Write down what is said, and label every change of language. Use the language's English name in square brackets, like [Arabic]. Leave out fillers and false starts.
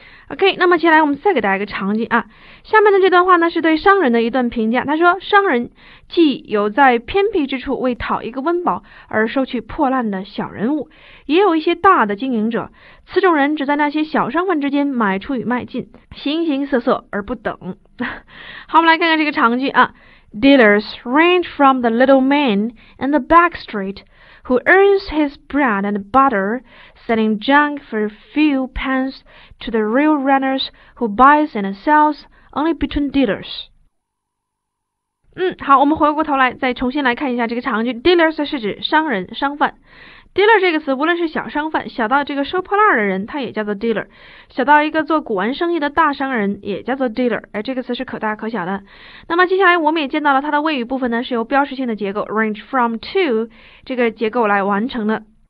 [Chinese] OK， 那么接下来我们再给大家一个场景啊，下面的这段话呢是对商人的一段评价，他说商人既有在偏僻之处为讨一个温饱而收取破烂的小人物，也有一些大的经营者，此种人只在那些小商贩之间买出与卖进，形形色色而不等。好，我们来看看这个长句啊。 [English] Dealers range from the little man in the back street who earns his bread and butter selling junk for a few pence to the real runners who buys and sells only between dealers. [Chinese] 好，我们回过头来再重新来看一下这个长句。Dealers 是指商人、商贩。 Dealer 这个词无论是小商贩，小到这个收破烂的人他也叫做 dealer， 小到一个做古玩生意的大商人也叫做 dealer， 而这个词是可大可小的。那么接下来我们也见到了它的谓语部分呢是由标识性的结构 range from to 这个结构来完成的。